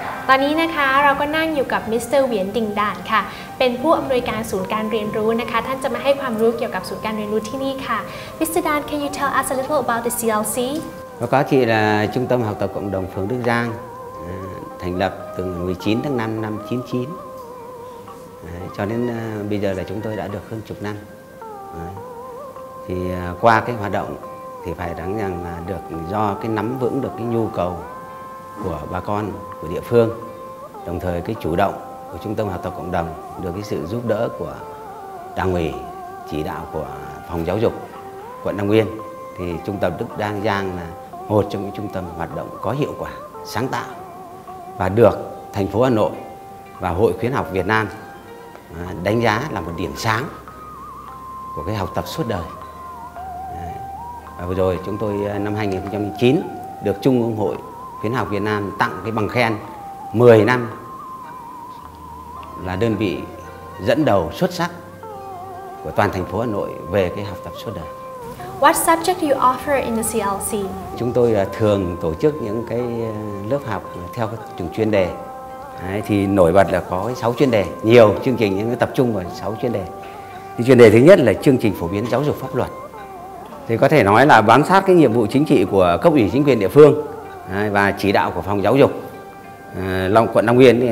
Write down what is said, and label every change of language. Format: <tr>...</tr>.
<th>ตอนนี้นะคะเราก็นั่งอยู่กับมิสเตอร์เหวียนดิงด่านค่ะเป็นผู้อำนวยการศูนย์การเรียนรู้นะคะท่านจะมาให้ความรู้เกี่ยวกับศูนย์การเรียนรู้ที่นี่ค่ะ Mr.</th> <en>Dan, can you tell us a little about the CLC?</en> <vi>Và có chị là trung tâm học tập cộng đồng phường Đức Giang thành lập từ 19 tháng 5 năm 99 cho đến bây giờ là chúng tôi đã được hơn chục năm. Thì qua cái hoạt động thì phải nói rằng là được do cái nắm vững được cái nhu cầu của bà con của địa phương, đồng thời cái chủ động của trung tâm học tập cộng đồng được cái sự giúp đỡ của đảng ủy, chỉ đạo của phòng giáo dục quận Nam Nguyên, thì trung tâm Đức Đan Giang là một trong những trung tâm hoạt động có hiệu quả, sáng tạo và được thành phố Hà Nội và Hội khuyến học Việt Nam đánh giá là một điểm sáng của cái học tập suốt đời. Và vừa rồi chúng tôi năm 2009 được Trung ương Hội khuyến học Việt Nam tặng cái bằng khen 10 năm là đơn vị dẫn đầu xuất sắc của toàn thành phố Hà Nội về cái học tập suốt đời.</vi> <en>What subject do you offer in the CLC?</en> <vi>Chúng tôi thường tổ chức những cái lớp học theo từng chuyên đề. Thì nổi bật là có 6 chuyên đề, nhiều chương trình nhưng tập trung vào 6 chuyên đề. Thì chuyên đề thứ nhất là chương trình phổ biến giáo dục pháp luật. thì có thể nói là bám sát cái nhiệm vụ chính trị của cấp ủy chính quyền địa phương và chỉ đạo của phòng giáo dục quận Long Biên.</vi>